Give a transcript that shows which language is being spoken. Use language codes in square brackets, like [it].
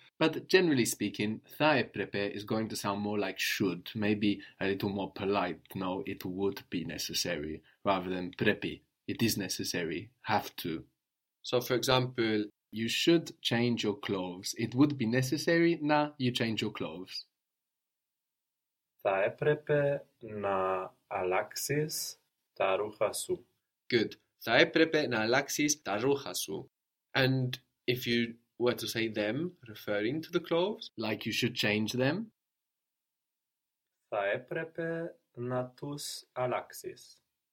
[en] But generally speaking, [el] θα έπρεπε [en] is going to sound more like should, maybe a little more polite, no? It would be necessary, rather than πρέπει. It is necessary, have to. So for example, you should change your clothes. It would be necessary να you change your clothes. [el] Θα έπρεπε να αλλάξεις τα ρούχα σου. [en] Good. [el] Θα έπρεπε να αλλάξεις τα ρούχα σου. [en] And if you were to say them, referring to the clothes, like you should change them. [el] Θα έπρεπε να τους αλλάξεις.